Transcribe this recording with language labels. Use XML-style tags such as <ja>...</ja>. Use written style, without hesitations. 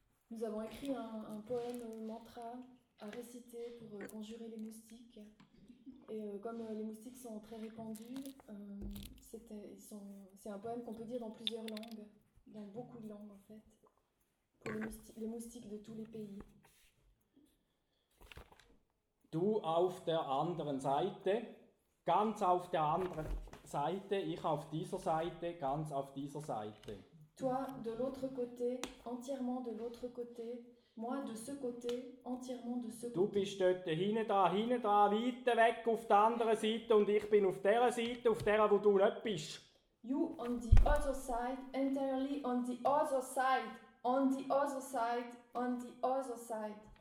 <fr>Nous avons écrit un poème mantra à réciter pour conjurer les moustiques. Et comme les moustiques sont très répandus, c'est un poème qu'on peut dire dans plusieurs langues, dans beaucoup de langues en fait, pour les moustiques de tous les pays.</fr> <de>Du auf der anderen Seite, ganz auf der anderen Seite, ich auf dieser Seite, ganz auf dieser Seite.</de> <fr>Toi de l'autre côté, entièrement de l'autre côté, moi de ce côté, entièrement de ce côté.</fr> <de>Du bist dort hinten dran, weit weg auf der anderen Seite und ich bin auf der Seite, auf der, wo du nicht bist.</de> <en>You on the other side, entirely on the other side, on the other side, on the other side.</en>